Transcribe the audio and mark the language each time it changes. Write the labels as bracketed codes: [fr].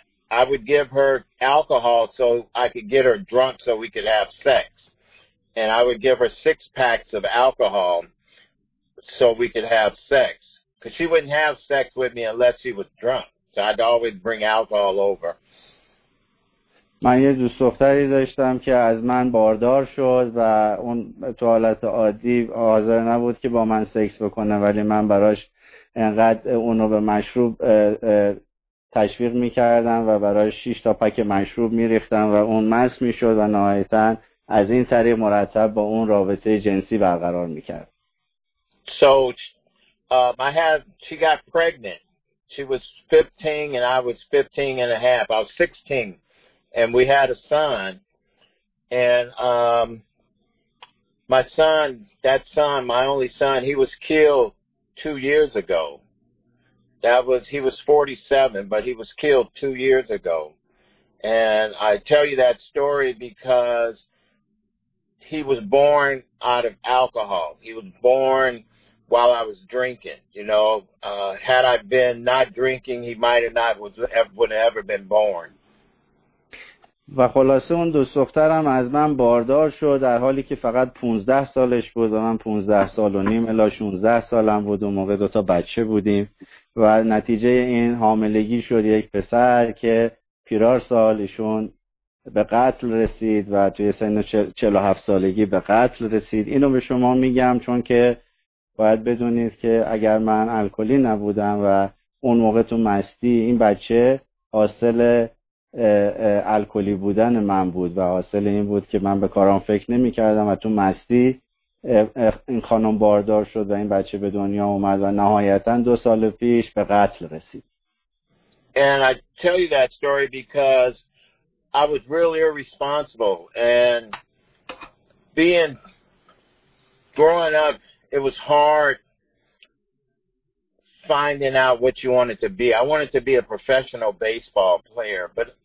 [en] I would give her alcohol so I could get her drunk so we could have sex. And I would give her 6 packs of alcohol so we could have sex. Because she wouldn't have sex with me unless she was drunk. So I'd always bring alcohol over. [fa] من یه دوست دختری داشتم که از من باردار شد و اون تو حالت عادی حاضر نبود که با من سکس بکنه، ولی من براش انقدر اونو به مشروب تشویق میکردم و برای 6 تا پک مشروب میریختم و اون مست میشد و نهایتا از این طریق مرتب با اون رابطه جنسی برقرار میکرد. [en] So she got pregnant. She was 15 and I was 15 and a half. I was 16 and we had a son. And my only son, he was killed 2 years ago. He was 47, but he was killed 2 years ago. And I tell you that story because he was born out of alcohol. He was born while I was drinking, you know. Had I been not drinking, he might have not would have ever been born. [fa] و خلاصه اون دوست دخترم از من باردار شد در حالی که فقط 15 سالش بود و من 15 سال و نیم الا 16 سالم بود و موقع دوتا بچه بودیم و نتیجه این حاملگی شد یک پسر که پیرار سالشون به قتل رسید و توی سن 47 سالگی به قتل رسید. اینو به شما میگم چون که باید بدونید که اگر من الکلی نبودم و اون موقع تو مستی، این بچه حاصل الکلی بودن من بود و حاصل این بود که من به کارام فکر نمی کردم و تو مستی این خانم باردار شد و این بچه به دنیا اومد و نهایتاً 2 سال پیش به قتل رسید. [en] And I tell you that story because I was really irresponsible and growing up it was hard finding out what you wanted to be. I wanted to be a professional baseball player, but